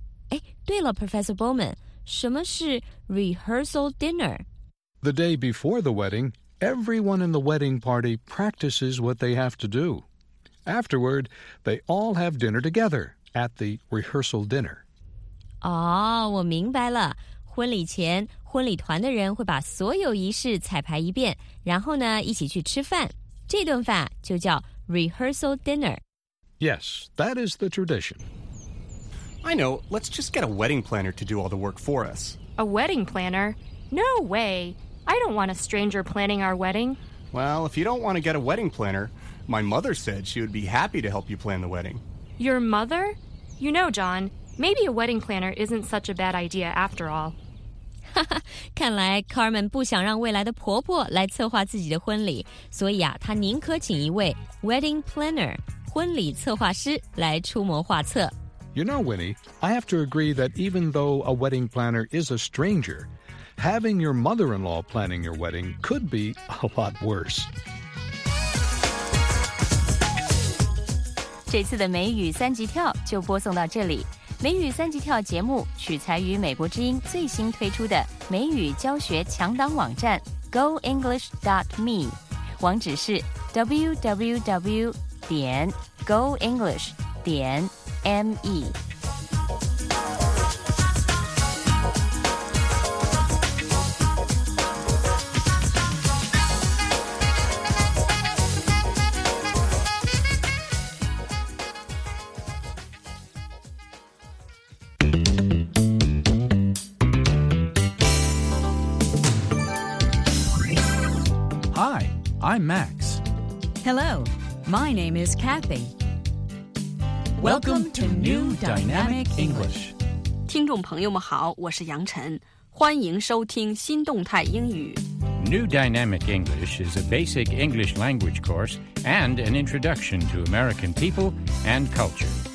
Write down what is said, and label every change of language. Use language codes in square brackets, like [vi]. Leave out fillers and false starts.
[zh] 哎，对了 ,Professor Bowman, 什么是 rehearsal dinner? [en] The day before the wedding... Everyone in the wedding party practices what they have to do. Afterward, they all have dinner together at the rehearsal dinner. [zh] Oh, 我明白了。婚礼前，婚礼团的人会把所有仪式彩排一遍，然后呢，一起去吃饭。这顿饭就叫 rehearsal dinner. [en] Yes, that is the tradition. I know. Let's just get a wedding planner to do all the work for us. A wedding planner? No way! I don't want a stranger planning our wedding. Well, if you don't want to get a wedding planner, my mother said she would be happy to help you plan the wedding. Your mother? You know, John, maybe a wedding planner isn't such a bad idea after all. [zh] 看来 Carmen 不想让未来的婆婆来策划自己的婚礼，所以啊，她宁可请一位 wedding planner, 婚礼策划师来出谋划策。 [en] You know, Winnie, I have to agree that even though a wedding planner is a stranger... Having your mother-in-law planning your wedding could be a lot worse. [zh] 这次的美语三级跳就播送到这里。美语三级跳节目取材于美国之音最新推出的美语教学强档网站 goenglish.me， 网址是 www.goenglish.me。 [en] I'm Max. Hello, my name is Kathy. Welcome to New Dynamic English. [zh] 听众朋友们好，我是杨晨，欢迎收听新动态英语。 [en] New Dynamic English is a basic English language course and an introduction to American people and culture.